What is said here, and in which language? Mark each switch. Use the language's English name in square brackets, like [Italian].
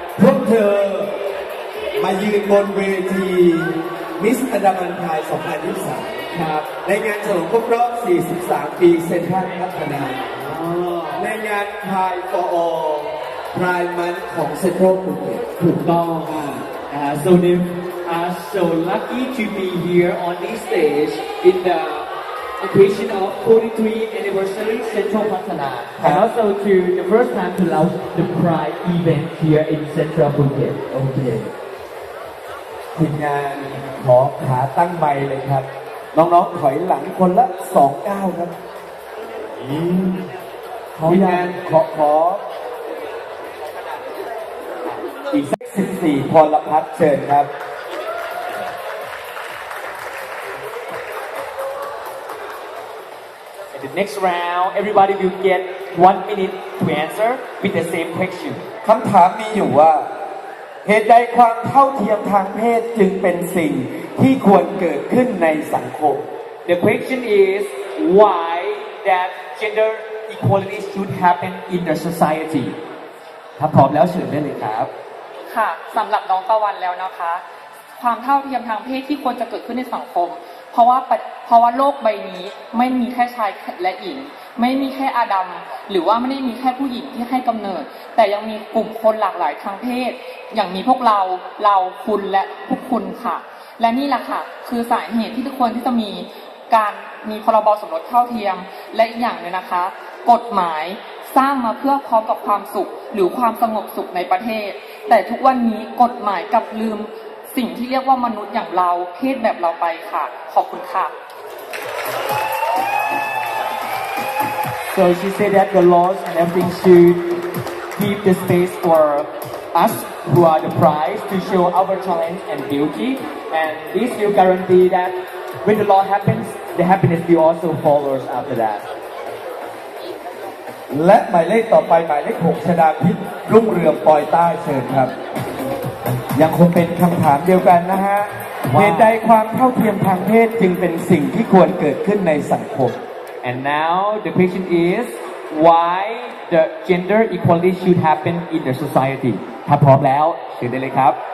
[Thai] พวกเธอมายืนบนเวทีมิสอันดามันไทย2023 ครับ ในงานฉลองครบรอบ43ปีเซ็นทรัลพัฒนาในงานถ่ายฟอพรายมันของเซ็นทรัลกรุงเทพ ถูกต้อง [English] so nimI'm so lucky to be here on this stage in the occasion of 43 anniversary Central Pattana and also to the first time to launch the Pride event here in Central Phuket. Okay. [Thai] ทีมงานขอขาตั้งไมค์เลยครับน้องๆถอยหลังคนละ2ก้าวครับ ทีมงาน ขออีกสัก14พรพัฒน์เชิญครับ [English] The next round, everybody will get 1 minute to answer with the same question. [Thai] คำถามมีอยู่ว่าเหตุใดความเท่าเทียมทางเพศจึงเป็นสิ่งที่ควรเกิดขึ้นในสังคม [English] The question is why that gender equality should happen in the society. [Thai] ถ้าพร้อมแล้วเชิญได้เลยครับ ค่ะสำหรับน้องตะวันแล้วนะคะความเท่าเทียมทางเพศที่ควรจะเกิดขึ้นในสังคมเพราะว่าโลกใบนี้ไม่มีแค่ชายและหญิงไม่มีแค่อาดัมหรือว่าไม่ได้มีแค่ผู้หญิงที่ให้กำเนิดแต่ยังมีกลุ่มคนหลากหลายทางเพศอย่างมีพวกเรา คุณและพวกคุณค่ะและนี่แหละค่ะคือสาเหตุที่ทุกคนที่จะมีการมีพรบสมรสเท่าเทียมและอีกอย่างนึงนะคะกฎหมายสร้างมาเพื่อพร้อมกับความสุขหรือความสงบสุขในประเทศแต่ทุกวันนี้กฎหมายกับลืมสิ่งที่เรียกว่ามนุษย์อย่างเราเพศแบบเราไปค่ะขอบคุณค่ะ [English] So she said that the laws and everything should keep the space for us who are the prize to show our talent and beauty. And this will guarantee that when the law happens, the happiness will also follow us after that. [Thai] และหมายเลขต่อไปหมายเลข6ชนาธิปรุ่งเรืองปอยใต้เชิญครับยังคงเป็นคำถามเดียวกันนะฮะเหตุใดความเท่าเทียมทางเพศจึงเป็นสิ่งที่ควรเกิดขึ้นในสังคม [English] And now the question is why the gender equality should happen in the society [Thai] ถ้าพร้อมแล้วเชิญได้เลยครับ